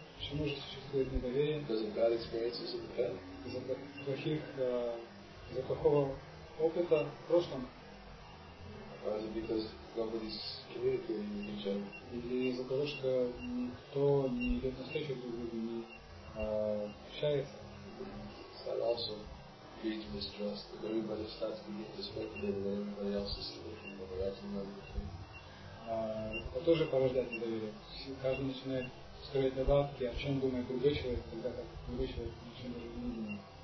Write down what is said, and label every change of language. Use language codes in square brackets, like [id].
[ru] Почему же существует недоверие? [en] Because of bad experiences in the past. [ru] Из-за плохих, из-за плохого опыта в прошлом. [en] Or is it because nobody's communicating with each other? [ru] Или из-за того, что никто не идет на встречу друг другу, не общается? [en] That also creates mistrust. That everybody starts to get distracted and everybody else is looking for the right number of things. [ru] Это тоже порождает недоверие. Каждый начинает строить догадки, о чем думает другой человек, тогда как другой человек ничего даже не думает.